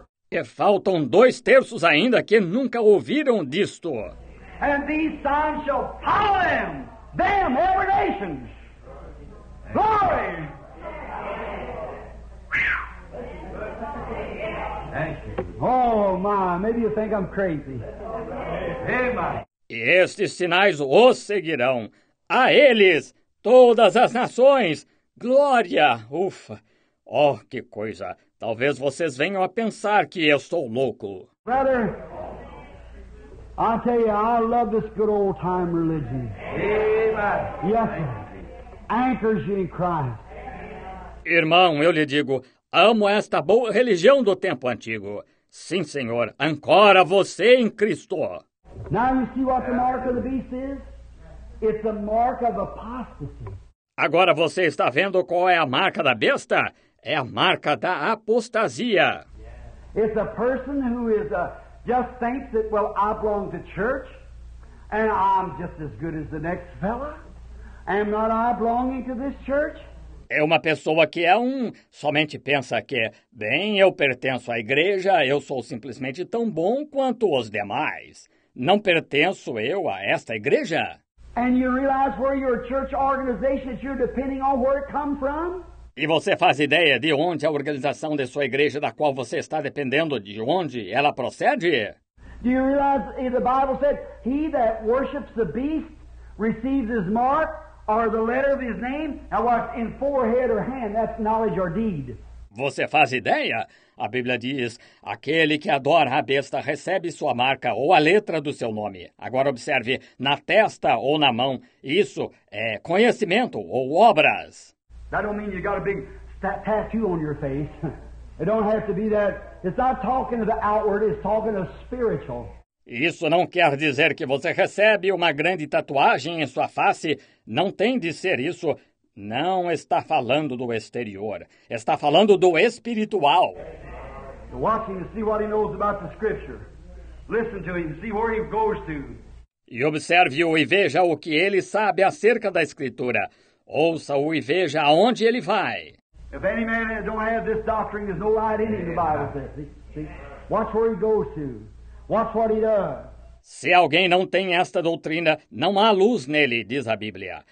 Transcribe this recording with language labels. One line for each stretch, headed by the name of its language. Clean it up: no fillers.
Portuguese: E faltam 2/3 ainda que nunca ouviram disto.
English: And these signs shall follow them, every nation. Glory! Thank you. Oh, my, maybe you think I'm crazy.
Portuguese: E estes sinais os seguirão. A eles, todas as nações. Glória! Ufa! Oh, que coisa! Talvez vocês venham a pensar que eu estou louco.
English: Brother, I tell you, I love this good old time religion. Amen. Yes, sir. Anchors you in Christ.
Portuguese: Irmão, eu lhe digo, amo esta boa religião do tempo antigo. Sim, senhor, ancora você em Cristo.
English: Now you see what the mark of the beast is? It's a mark of apostasy.
Portuguese: Agora você está vendo qual é a marca da besta? É a marca da apostasia.
English: It's a person who is just thinks that, well, I belong to church, and I'm just as good as the next fella. Am not I belonging to this church?
Portuguese: É uma pessoa que é somente pensa que, bem, eu pertenço à igreja, eu sou simplesmente tão bom quanto os demais. Não pertenço eu a esta igreja?
English: And you realize where your church organization is, you're depending on where it comes from?
Portuguese: E você faz ideia de onde a organização de sua igreja da qual você está dependendo, de onde ela procede?
English: Do you realize the Bible said, he that worships the beast receives his mark or the letter of his name, and what's in forehead or hand, that's knowledge or deed.
Portuguese: Você faz ideia? A Bíblia diz, aquele que adora a besta recebe sua marca ou a letra do seu nome. Agora observe, na testa ou na mão, isso é conhecimento ou obras.
English: That don't mean you got a big tattoo on your face. It don't have to be that. It's not talking to the outward, it's talking to the spiritual.
Portuguese: Isso não quer dizer que você recebe uma grande tatuagem em sua face. Não tem de ser isso. Não está falando do exterior. Está falando do espiritual.
English: Watch him and see what he knows about the scripture. Listen to him and see where he goes to.
Portuguese: E observe-o e veja o que ele sabe acerca da escritura. Ouça-o e veja aonde ele vai.
English: If any man don't have this doctrine, there's no light in him, the Bible says. See? Watch where he goes to. Watch what he does.
Portuguese: Se alguém não tem esta doutrina, não há luz nele, diz a Bíblia.